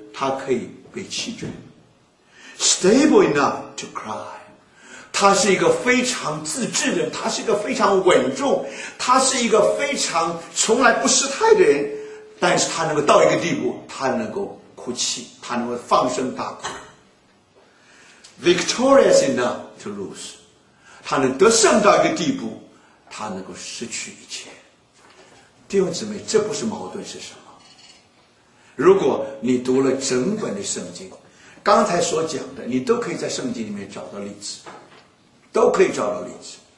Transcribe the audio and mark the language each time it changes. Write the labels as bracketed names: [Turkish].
[Chinese] 他可以被弃绝。 [English] Stable enough to cry. [Chinese] 他是一个非常自制的人，他是一个非常稳重，他是一个非常从来不失态的人，但是他能够到一个地步，他能够哭泣，他能够放声大哭。 [English] Victorious enough to lose. [Chinese] 他能得胜到一个地步，他能够失去一切。弟兄姊妹，这不是矛盾是什么？如果你读了整本的圣经，刚才所讲的你都可以在圣经里面找到例子，都可以找到例子。